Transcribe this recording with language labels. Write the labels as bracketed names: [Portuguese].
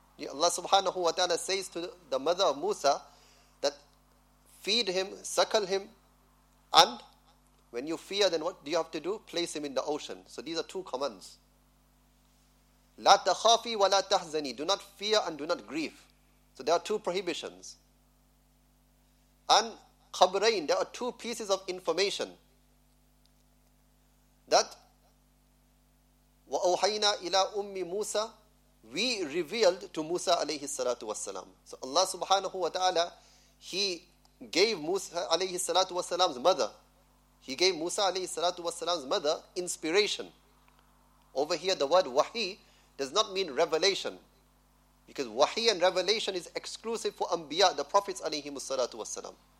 [English] Allah subhanahu wa ta'ala says to the mother of Musa that feed him, suckle him, and when you fear, then what do you have to do? Place him in the ocean. So these are two commands. [Arabic] لا تخافي ولا تحزني. [English] Do not fear and do not grieve. So there are two prohibitions. And قبرين, there are two pieces of information. [Arabic] That وَأَوْحَيْنَا إِلَىٰ أُمِّ مُوسَىٰ. [English] We revealed to Musa alayhi salatu wasalam. So Allah subhanahu wa ta'ala, he gave Musa alayhi salatu wasalam's mother, he gave Musa alayhi salatu wasalam's mother inspiration. Over here, the word wahi does not mean revelation, because wahi and revelation is exclusive for anbiya, the prophets alayhi salatu wasalam.